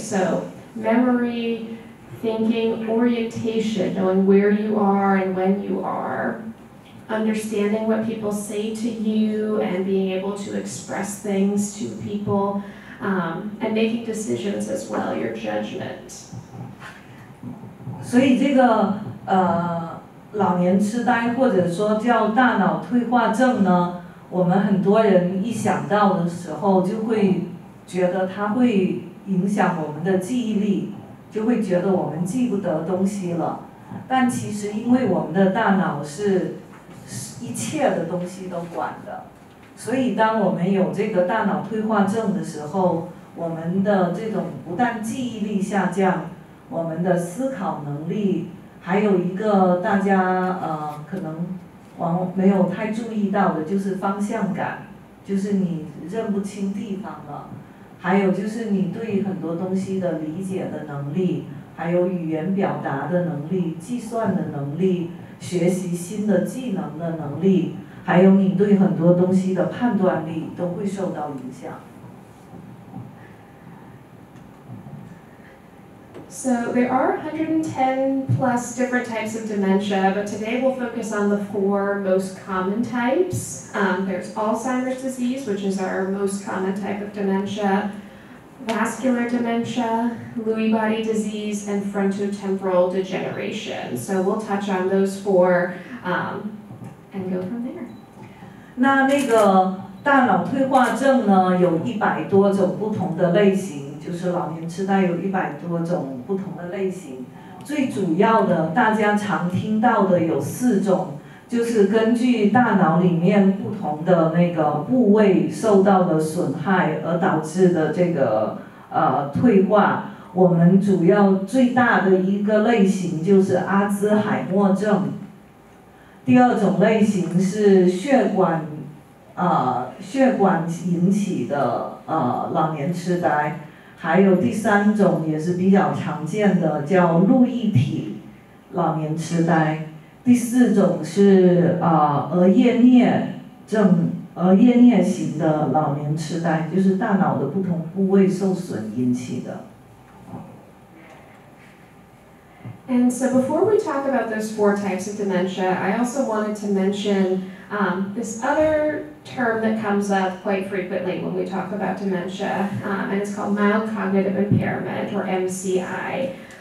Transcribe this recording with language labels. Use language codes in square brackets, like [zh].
[en] So memory, thinking, orientation, knowing where you are and when you are, understanding what people say to you and being able to express things to people, and making decisions as well, your judgment. [zh] 所以这个老年痴呆或者说叫大脑退化症呢，我们很多人一想到的时候就会觉得它会影响我们的记忆力，就会觉得我们记不得东西了。但其实因为我们的大脑是一切的东西都管的，所以当我们有这个大脑退化症的时候，我们的这种不但记忆力下降，我们的思考能力，还有一个大家可能没有太注意到的，就是方向感，就是你认不清地方了，还有就是你对很多东西的理解的能力，还有语言表达的能力，计算的能力，学习新的技能的能力，还有你对很多东西的判断力都会受到影响。 [en] So there are 110 plus different types of dementia, but today we'll focus on the 4 most common types. There's Alzheimer's disease, which is our most common type of dementia, vascular dementia, Lewy body disease, and frontotemporal degeneration. So we'll touch on those 4 and go from there. [zh] 那个大脑退化症呢，有100多种不同的类型，就是老年痴呆有100多种不同的类型，最主要的大家常听到的有4种，就是根据大脑里面不同的那个部位受到的损害而导致的这个退化。我们主要最大的一个类型就是阿兹海默症，第二种类型是血管引起的老年痴呆，还有第三种也是比较常见的叫路易体老年痴呆，第四种是额叶颞型的老年痴呆，就是大脑的不同部位受损引起的。 [en] And so before we talk about those 4 types of dementia, I also wanted to mention this other term that comes up quite frequently when we talk about dementia, and it's called mild cognitive impairment, or MCI.